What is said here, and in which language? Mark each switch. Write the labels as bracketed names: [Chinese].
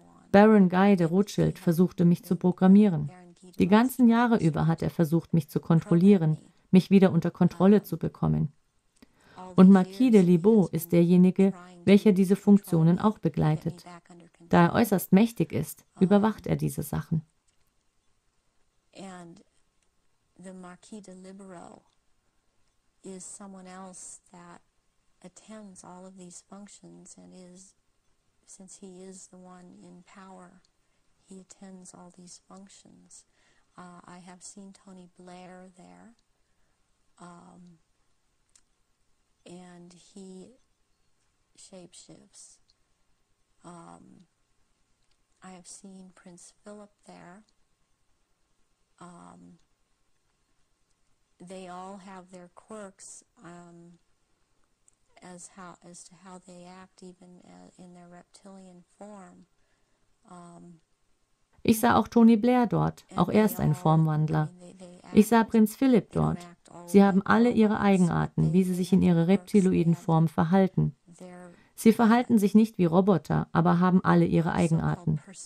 [German] Baron Guy de Rothschild versuchte, mich zu programmieren. Die ganzen Jahre über hat er versucht, mich zu kontrollieren, mich wieder unter Kontrolle zu bekommen. Und Marquis de Libeau ist derjenige, welcher diese Funktionen auch begleitet. Da er äußerst mächtig ist, überwacht er diese Sachen. [English] And the Marquis de Libero is someone else that attends all of these functions and is, since he is the one in power, he attends all these functions. I have seen Tony Blair there. And he shapeshifts. I have seen Prince Philip there. They all have their quirks as to how they act, even in their reptilian form. [German] Ich sah auch Tony Blair dort, auch er ist ein Formwandler. Ich sah Prinz Philip dort. Sie haben alle ihre Eigenarten, wie sie sich in ihrer reptiloiden Form verhalten. Sie verhalten sich nicht wie Roboter, aber haben alle ihre Eigenarten.